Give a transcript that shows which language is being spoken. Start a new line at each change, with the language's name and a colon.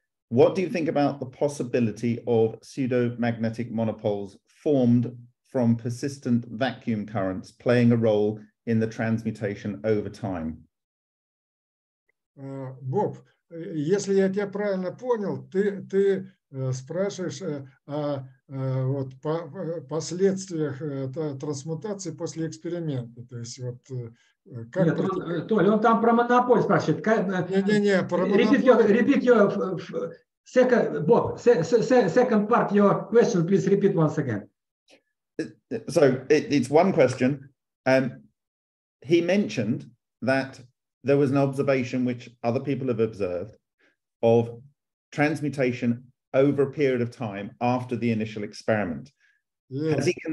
English: What do you think about the possibility of pseudo-magnetic monopoles formed from persistent vacuum currents playing a role in the transmutation over time?
Russian: Боб, если я тебя правильно понял, ты спрашиваешь о последствиях трансмутации после эксперимента. То есть вот как... Нет, он там про монополь спрашивает. Не, про монополь.
English: Second part your question, please repeat once again. So it's one question. He mentioned that there was an observation, which other people have observed, of transmutation over a period of time after the initial experiment. Yes.